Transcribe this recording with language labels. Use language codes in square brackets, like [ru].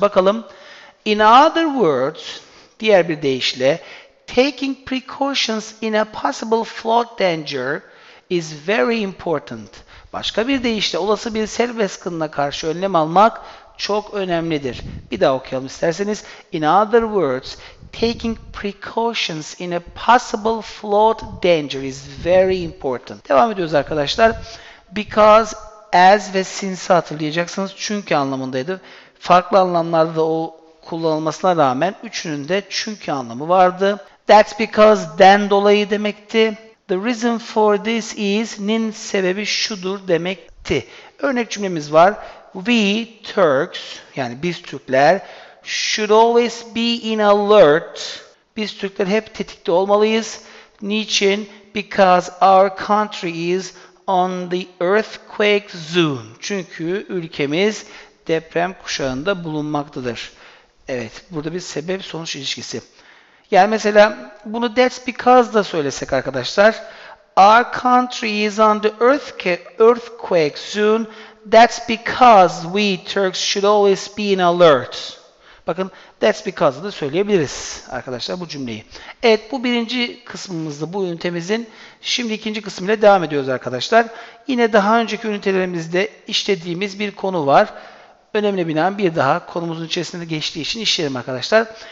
[tr] Bakalım. [en] In other words, [tr] diğer bir deyişle, [en] taking precautions in a possible flood danger is very important. [tr] Başka bir deyişle, olası bir sel baskınına karşı önlem almak çok önemlidir. Bir daha okuyalım isterseniz. [en] In other words, taking precautions in a possible flood danger is very important. [tr] Devam ediyoruz arkadaşlar. Because, as ve since'i hatırlayacaksınız. Çünkü anlamındaydı. Farklı anlamlarda da o kullanılmasına rağmen üçünün de çünkü anlamı vardı. [en] That's because, then [tr] dolayı demekti. [en] The reason for this is'nin [tr] sebebi şudur demekti. Örnek cümlemiz var. [en] We Turks, [tr] yani biz Türkler, [en] should always be in alert. [tr] Biz Türkler hep tetikte olmalıyız. Niçin? [en] Because our country is on the earthquake zone. [tr] Çünkü ülkemiz deprem kuşağında bulunmaktadır. Evet, burada bir sebep sonuç ilişkisi. Yani mesela bunu that's because da söylesek arkadaşlar. [en] Our country is on the earthquake zone. That's because we Turks should always be in alert. [tr] Bakın that's because da söyleyebiliriz arkadaşlar bu cümleyi. Evet, bu birinci kısmımızdı bu ünitemizin. Şimdi ikinci kısmıyla devam ediyoruz arkadaşlar. Yine daha önceki ünitelerimizde işlediğimiz bir konu var. Önemli binaen bir daha konumuzun içerisinde geçtiği için işleyelim arkadaşlar.